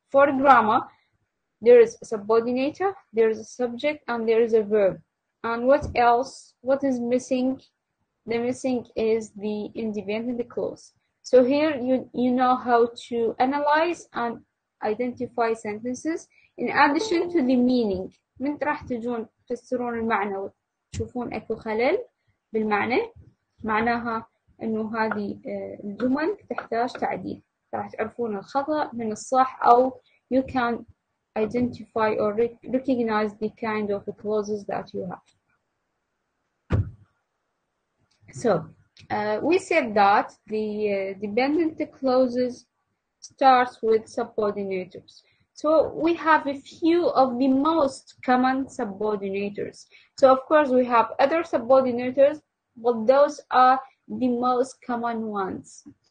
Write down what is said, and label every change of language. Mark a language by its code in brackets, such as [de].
[en] For grammar, there is a subordinator, there is a subject, and there is a verb. And what else? What is missing? The missing is the independent clause. So here you know how to analyze and identify sentences in addition to the meaning. [ar] من راح تجون تفسرون المعنى وتشوفون اكو خلل بالمعنى معناها انه هذه الجمل تحتاج تعديل راح تعرفون الخطأ من الصح او [en] you can identify or recognize the kind of clauses that you have. So we said that the dependent clauses starts with subordinators. So we have a few of the most common subordinators. So of course we have other subordinators, but those are the most common ones.